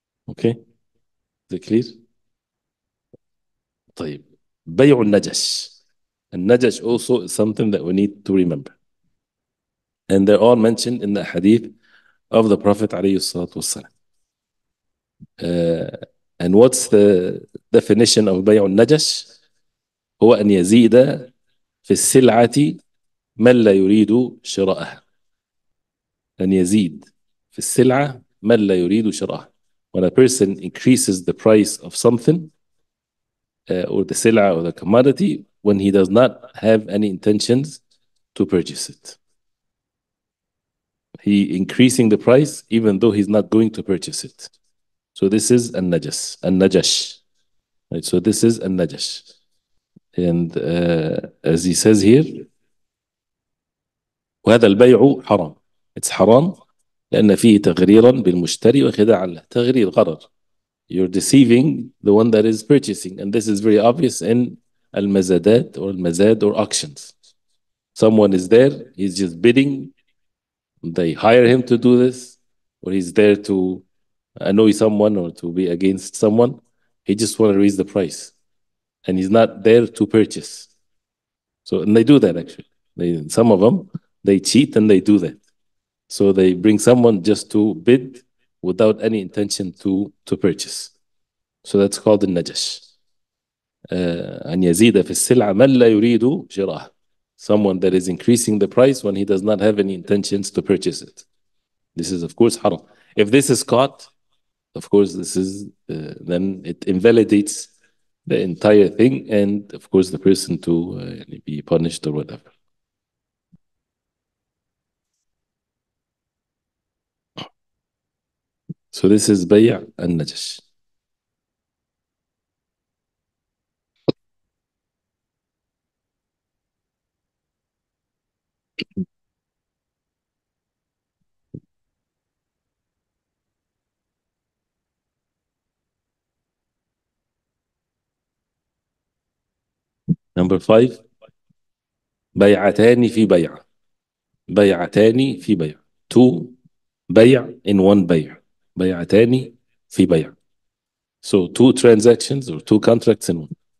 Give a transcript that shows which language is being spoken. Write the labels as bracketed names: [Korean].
[English] Okay, is it clear? [Arabic] طيب بيع النجش. [English] النجش also is something that we need to remember. And they're all mentioned in the hadith of the Prophet عليه الصلاة والسلام. And what's the definition of [Arabic] بيع النجش؟ هو أن يزيد في السلعة من لا يريد شراءها. أن يزيد في السلعة من لا يريد شراءها. [English] When a person increases the price of something, or the سلعة or the commodity, when he does not have any intentions to purchase it. He increasing the price even though he's not going to purchase it. So this is النجس, النجش. Right? So this is النجش. And as he says here, [Arabic] وهذا البيع حرام. It's حرام لأن فيه تغريرا بالمشتري وخداعا له. تغرير غرر. [English] You're deceiving the one that is purchasing. And this is very obvious in المزادات or المزاد or auctions. Someone is there, he's just bidding. They hire him to do this, or he's there to annoy someone or to be against someone. He just want to raise the price. And he's not there to purchase. So, and they do that actually. Some of them, they cheat and they do that. So they bring someone just to bid without any intention to purchase. So that's called the najash. [Arabic] أن يزيد في السلعة من لا يريد شراءها. [English] Someone that is increasing the price when he does not have any intentions to purchase it. This is of course haram. If this is caught, of course this is, then it invalidates the entire thing and of course the person to be punished or whatever. So this is بيع النجش. Number five, [Arabic] بيعتان في بيع. بيعتان في بيع. [English] Two, بيع in one بيع. [Arabic] بيعتان في بيع. [English] So two transactions or two contracts in one.